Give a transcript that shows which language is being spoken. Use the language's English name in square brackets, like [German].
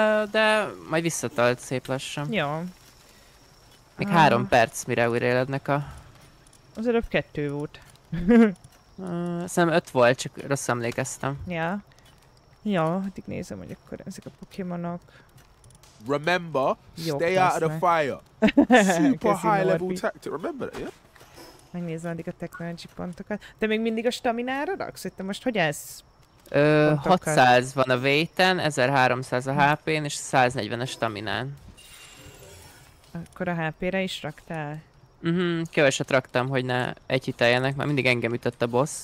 [Hungarian] De majd visszatalt szép lassan. Jó. Még 3 perc, mire újra élednek a... Az előbb 2 volt. Szerintem 5 volt, csak rosszul emlékeztem. Ja. Jó, addig nézem, hogy akkor ezek a Pokémonok... [English] Remember, stay out of the fire. Super high level tactic, remember that, yeah? [Hungarian] Megnézem addig a technology pontokat. De még mindig a staminára raksz? Hogy te most hogy ez? 600 van a weight-en, 1300 a HP-n és 140 a staminán. Akkor a HP-re is raktál? Keveset raktam, hogy ne egyhiteljenek, mert mindig engem ütött a boss.